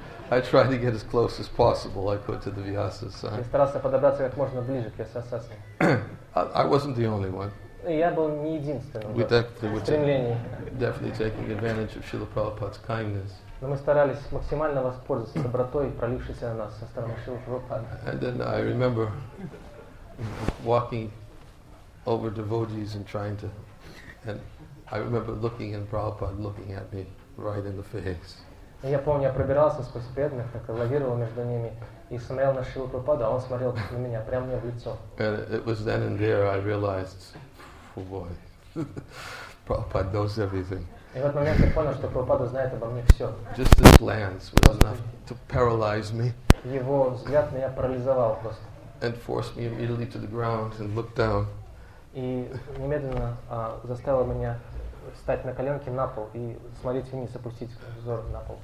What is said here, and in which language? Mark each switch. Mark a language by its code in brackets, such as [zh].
[en] I tried to get as close as possible I could to the Vyasasana. [ru] Я старался подобраться как можно ближе к Вьясасасане. [en] I wasn't the only one. [ru] Я был не единственным. [en] We definitely taking advantage of Srila Prabhupada's kindness. [ru] Но мы старались максимально воспользоваться добротой, пролившейся на нас со стороны Шрилы Прабхупады. [en] And then I remember walking over devotees and trying to and I remember looking and Prabhupada looking at me right in the face. [ru] Я помню, я пробирался сквозь преданных, так лавировал между ними и смотрел на Шрилу Прабхупаду, а он смотрел на меня, прямо мне в лицо. [en] And it was then and there I realized, oh boy, Prabhupada knows everything. [ru] И в этот момент я понял, что Прабхупада знает обо мне все. [en] Just his glance was enough to paralyze me. [ru] Его взгляд меня парализовал просто. [en] And forced me immediately to the ground and look down. [ru] И немедленно заставил меня встать на коленки на пол и смотреть вниз, опустить взор на пол.